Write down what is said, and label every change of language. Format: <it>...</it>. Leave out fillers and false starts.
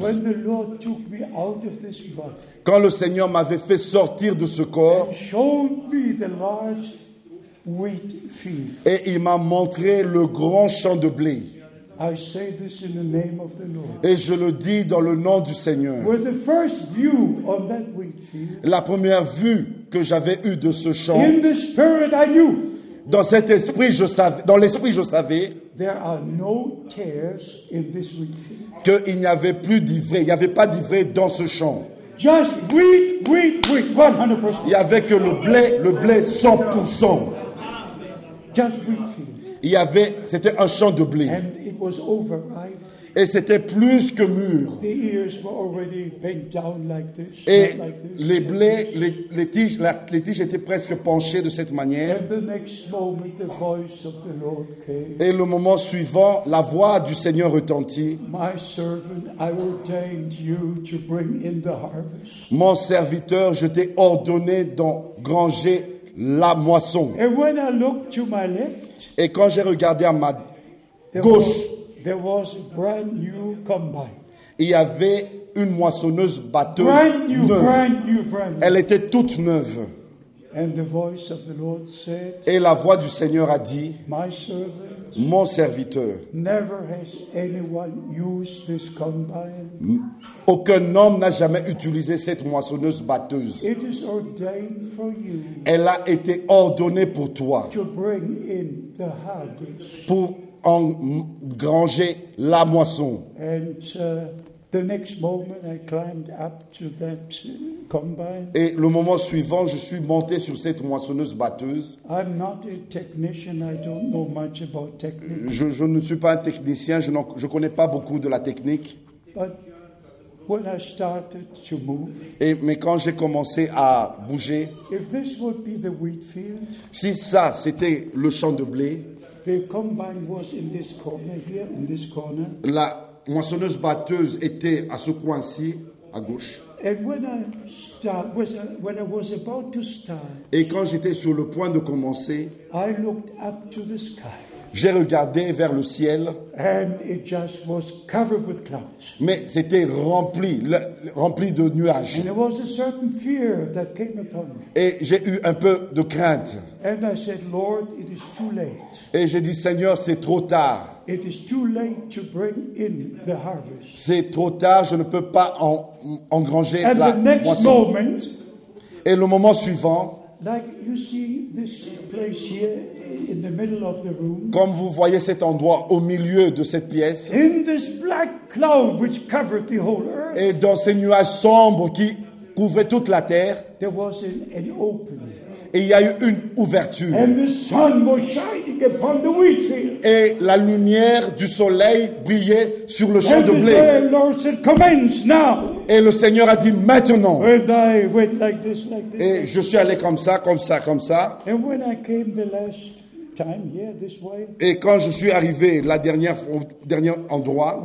<en>When the Lord took me out of this body,</en> <fr>quand le Seigneur m'avait fait sortir de ce corps,</fr> <en>and showed me the large wheat field,</en> <fr>et il m'a montré le grand champ de blé.</fr> <en>I say this in the name of the Lord.</en> <fr>Et je le dis dans le nom du Seigneur.</fr> <en>With the first view of that wheat field,</en> <fr>la première vue que j'avais eue de ce champ.</fr> <en>In the spirit I knew,</en> <fr>dans cet esprit, je savais, dans l'esprit, je savais.</fr> <en>There are no tares in this wheat field.</en> <fr>Qu'il n'y avait plus d'ivraie, il n'y avait pas d'ivraie dans ce champ.</fr> <en>Just wheat, wheat, wheat, 100%.</en> <fr>Il n'y avait que le blé 100%.</fr> <en>Just wheat field.</en> <fr>Il y avait, c'était un champ de blé.</fr> <en>And it was over, right?</en> <fr>Et c'était plus que mûr.</fr> <en>The ears were already bent down like this,</en> <fr>et</fr> <en>like this,</en> <fr>les blés, les tiges, les tiges étaient presque penchées de cette manière.</fr> <en>And the next moment, the voice of the Lord came.</en> <fr>Et le moment suivant, la voix du Seigneur retentit.</fr> <en>My servant, I ordained you to bring in the harvest.</en> <fr>Mon serviteur, je t'ai ordonné d'engranger la moisson.</fr> <en>And when I looked to my left,</en> <fr>et quand j'ai regardé à ma gauche,</fr> <en>there was a brand new combine.</en> <fr>Il y avait une moissonneuse batteuse neuve.</fr> <en>Brand new.</en> <fr>Elle était toute neuve.</fr> <en>And the voice of the Lord said,</en> <fr>et la voix du Seigneur a dit,</fr> <en>my servant,</en> <fr>mon serviteur,</fr> <en>never has anyone used this combine.</en> <fr>Aucun homme n'a jamais utilisé cette moissonneuse batteuse.</fr> <en>It is ordained for you.</en> <fr>Elle a été ordonnée pour toi.</fr> <en>To bring in the harvest.</en> <fr>Pour engranger la moisson.</fr> <en>And, the next moment, I climbed up to that combine.</en> <fr>Et le moment suivant, je suis monté sur cette moissonneuse batteuse.</fr> <en>I'm not a technician. I don't know much about technique.</en> <fr>Je ne suis pas un technicien. Je connais pas beaucoup de la technique.</fr> <en>But when I started to move,</en> <fr>mais quand j'ai commencé à bouger,</fr> <en>if this would be the wheat field,</en> <fr>si ça c'était le champ de blé,</fr> <en>the combine was in this corner here, in this corner.</en> <fr>La moissonneuse batteuse était à ce coin-ci, à gauche.</fr> <en>And when I was about to start,</en> <fr>et quand j'étais sur le point de commencer,</fr> <en>I looked up to the sky.</en> <fr>J'ai regardé vers le ciel.</fr> <en>And it just was covered with clouds.</en> <fr>Mais c'était rempli de nuages.</fr> <en>And there was a certain fear that came upon me.</en> <fr>Et j'ai eu un peu de crainte.</fr> <en>And I said, Lord, it is too late.</en> <fr>Et j'ai dit, Seigneur, c'est trop tard.</fr> <en>It is too late to bring in the harvest.</en> <fr>C'est trop tard, je ne peux pas engranger la moisson.</fr> <en>Moment,</en> <fr>et le moment suivant,</fr> <en>like you see this place here in the middle of the room,</en> <fr>comme vous voyez cet endroit au milieu de cette pièce,</fr> <en>in this black cloud which covered the whole earth,</en> <fr>et dans ces nuages sombres qui couvraient toute la terre,</fr> <en>there was an opening.</en> <fr>Et il y a eu une ouverture.</fr> <en>And the sun was shining upon the wheat field.</en> <fr>Et la lumière du soleil brillait sur le champ</fr> <en>and</en> <fr>de blé.</fr> <en>The Lord said, commence now.</en> <fr>Et le Seigneur a dit, maintenant.</fr> <en>And I went like this, like this.</en> <fr>Et je suis allé comme ça, comme ça, comme ça.</fr> <en>And when I came the last time here this way,</en> <fr>et quand je suis arrivé la dernière au dernier endroit,</fr>